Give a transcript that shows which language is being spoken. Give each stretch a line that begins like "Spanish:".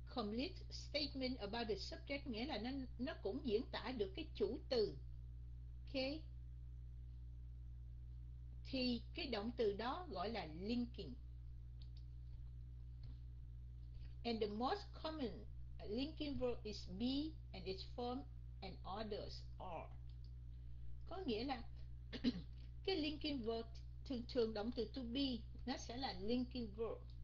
English: complete statement about the subject,
Vietnamese: nghĩa là nó cũng diễn tả được cái chủ từ. Ok, thì cái động từ đó gọi là linking.
English: And the most common linking verb is be and its form and others are.
Vietnamese: Có nghĩa là cái linking verb thường thường động từ to be nó sẽ là linking verb.